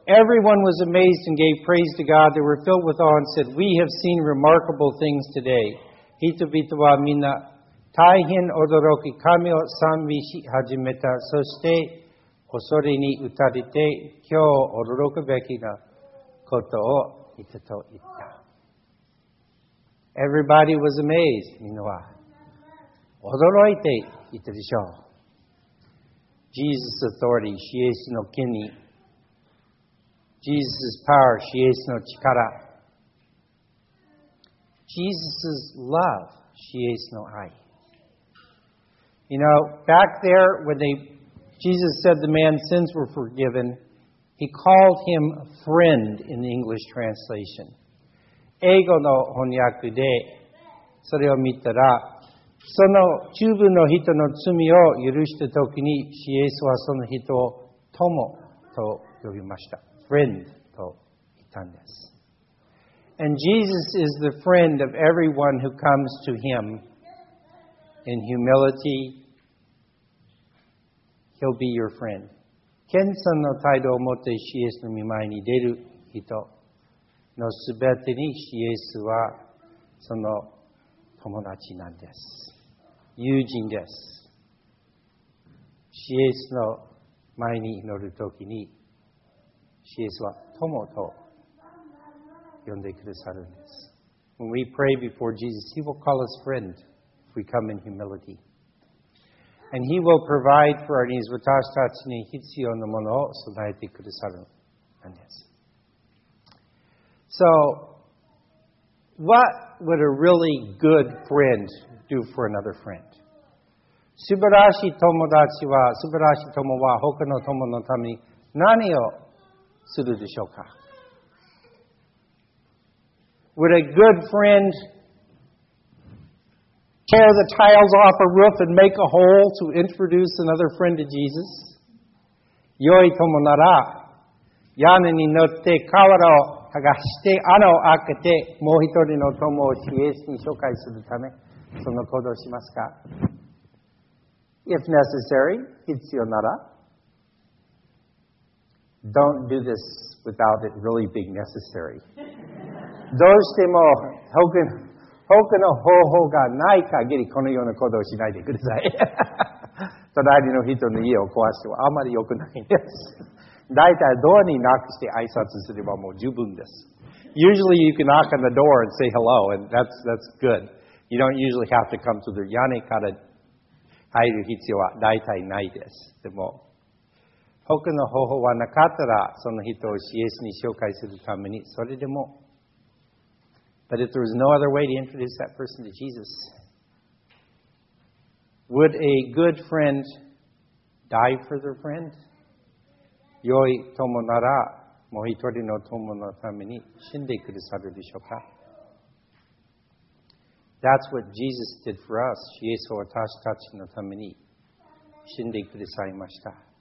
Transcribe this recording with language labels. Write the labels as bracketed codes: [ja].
[en] Everyone was amazed and gave praise to God. They were filled with awe and said, We have seen remarkable things today. [ja] 人々はみんな大変驚き、神を賛美し始めた。そして、恐れに打たれて、今日驚くべきなことを言ったと言った。 [en] Everybody was amazed. [ja] みんなは驚いていたでしょう。 [en] Jesus' authority, [ja] イエスの権威。 [en] Jesus' power, [ja] イエスの力。 [en] Jesus' love, [ja] イエスの愛。 [en] You know, back there when theyJesus said the man's sins were forgiven. He called him friend in the English translation. [ja] 英語の翻訳でそれを見たら、その中部の人の罪を許したときに、イエスはその人を友と呼びました。 Friend と言ったんです。 [en] And Jesus is the friend of everyone who comes to him in humility. He'll be your friend. [ja] 謙遜の態度を持ってイエスの御前に出る人のすべてにイエスはその友達なんです。友人です。イエスの前に祈るときにイエスは友と呼んでくださるんです。 [en] When we pray before Jesus, He will call us friend if we come in humility. And He will provide for our needs. [ja] 私たちに必要なものを備えてくださるんです。 [en] So, what would a really good friend do for another friend? [ja] 素晴らしい友達は、素晴らしい友は他の友のために何をするでしょうか? [en] Would a good friend tear the tiles off a roof and make a hole to introduce another friend to Jesus? [ja] 良い友なら、屋根に乗って瓦を剥がして穴を開けて、もう一人の友をイエスに紹介するため、その行動をしますか？ [en] If necessary, [ja] 必要なら、 [en] Don't do this without it really being necessary. [ja] どうしても他の方法がない限り、このような行動をしないでください。隣の人の家を壊してはあまり良くないです。だいたいドアにノックして挨拶すればもう十分です。 [en] Usually you can knock on the door and say hello, and that's good. You don't usually have to come to their [ja] 屋根から入る必要はだいたいないです。でも、他の方法はなかったら、その人をイエスに紹介するために、それでも。 [en] But if there was no other way to introduce that person to Jesus,Would a good friend die for their friend? [ja] 良い友なら、もう一人の友のために死んでくださるでしょうか？ [en] That's what Jesus did for us. [ja] イエスは私たちのために死んでくださいました。